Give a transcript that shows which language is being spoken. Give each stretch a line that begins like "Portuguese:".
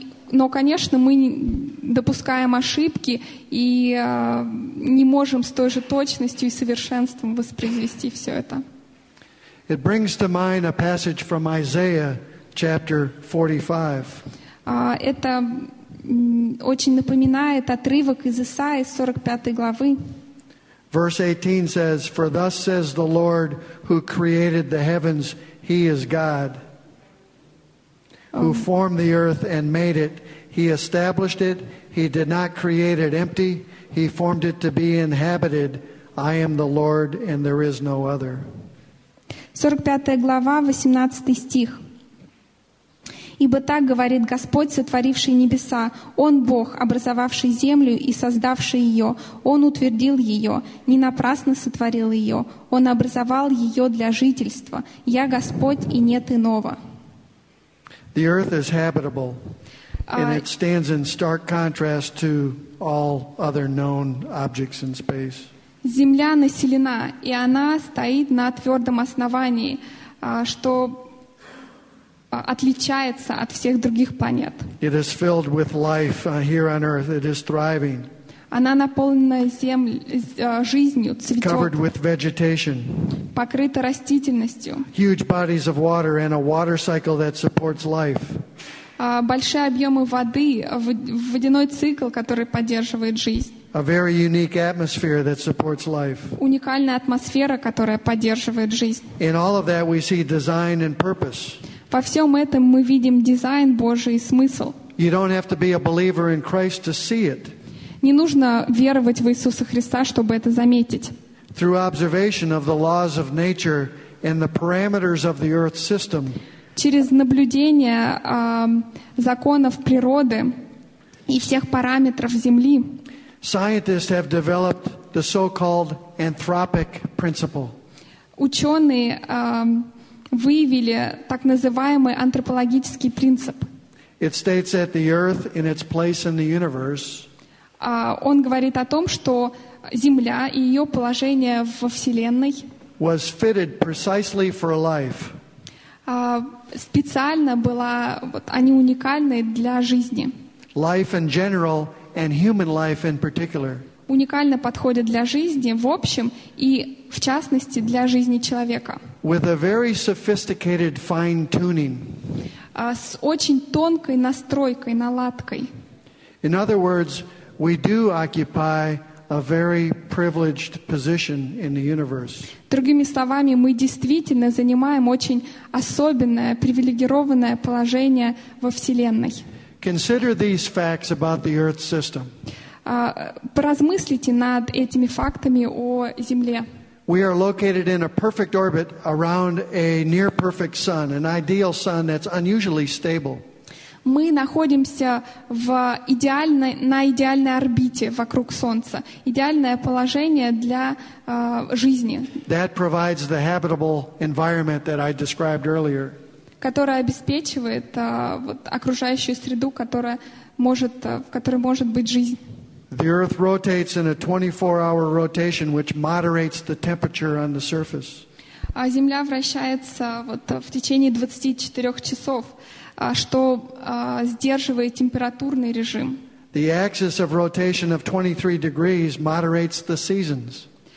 Russian: Но, конечно, мы допускаем ошибки и не можем с той же точностью и совершенством воспроизвести все это.
English: It brings to mind a passage from Isaiah chapter 45.
Russian: Это очень напоминает отрывок из Исаии 45 главы.
English: Verse 18 says, "For thus says the Lord, who created the heavens, He is God, who formed the earth and made it. He established it. He did not create it empty. He formed it to be inhabited. I am the Lord, and there is no other."
Russian: 45 глава, 18 стих. Ибо так говорит Господь, сотворивший небеса. Он Бог, образовавший землю и создавший ее. Он утвердил ее, не напрасно сотворил ее. Он образовал ее для жительства. Я Господь, и нет иного.
English: The earth is habitable, and it stands in stark contrast to all other known objects in space.
Russian: Земля населена, и она стоит на твердом основании, что отличается от всех других планет.
English: It is filled with life here on Earth. It is thriving.
Russian: Она наполнена жизнью, цветет.
English: Covered with vegetation.
Russian: Покрыта растительностью.
English: Huge bodies of water and a water cycle that supports life.
Russian: Большие объемы воды, водяной цикл, который поддерживает жизнь.
English: A very unique atmosphere that supports life.
Russian: Уникальная атмосфера, которая поддерживает жизнь.
English: In all of that, we see design and purpose.
Russian: Во всем этом мы видим дизайн Божий и смысл.
English: You don't have to be a believer in Christ to see it.
Russian: Не нужно веровать в Иисуса Христа, чтобы это заметить.
English: Through observation of the laws of nature and the parameters of the Earth system.
Russian: Через наблюдение законов природы и всех параметров Земли.
English: Scientists have developed the so-called anthropic principle.
Russian: Ученые выявили так называемый антропологический принцип.
English: It states that the Earth in its place in the universe.
Russian: Он говорит о том, что Земля и ее положение во Вселенной
English: was fitted precisely for life.
Russian: Специально была, вот, они уникальны для жизни.
English: Life in general and human life in particular.
Russian: Уникально подходят для жизни в общем и в частности для жизни человека.
English: With a very sophisticated fine tuning.
Russian: С очень тонкой настройкой, наладкой.
English: In other words, we do occupy a very privileged position in the universe.
Russian: Другими словами, мы действительно занимаем очень особенное, привилегированное положение во Вселенной.
English: Consider these facts about the Earth system.
Russian: Поразмыслите над этими фактами о Земле.
English: We are located in a perfect orbit around a near-perfect sun, an ideal sun that's unusually stable.
Russian: мы находимся в идеальной, на идеальной орбите вокруг Солнца. Идеальное положение для жизни.
English: That provides the habitable environment that I described earlier.
Russian: Которая обеспечивает вот, окружающую среду, которая может, в которой может быть жизнь.
English: The Earth rotates in a 24-hour rotation, which moderates the temperature on the surface.
Russian: А Земля вращается вот, в течение 24 часов, что сдерживает температурный режим.
English: The axis of rotation of 23 degrees moderates the seasons.